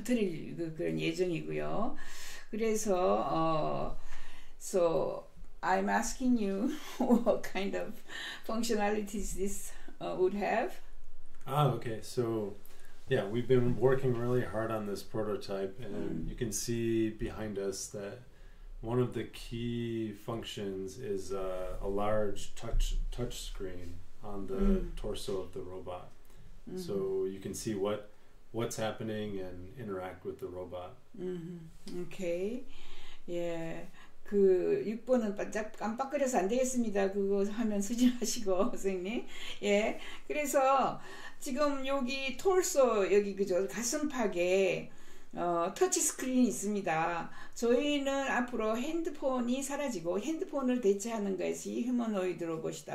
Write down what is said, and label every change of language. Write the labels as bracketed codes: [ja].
[ko] 퍼뜨릴 그런 예정이고요. 그래서 [en] so I'm asking you what kind of functionalities this would have. Okay. So, yeah, we've been working really hard on this prototype, and you can see behind us that one of the key functions is a large touch screen on the torso of the robot. So you can see what's happening and interact with the robot. Okay. 예. [ko] 그 6번은 반짝 깜빡거려서 안 되겠습니다. 그거 화면 쓰지 마시고 선생님. 예. 그래서 지금 여기 톨소 여기 그죠? 가슴팍에 터치 스크린이 있습니다. 저희는 앞으로 핸드폰이 사라지고 핸드폰을 대체하는 것이 휴머노이드 로봇이다.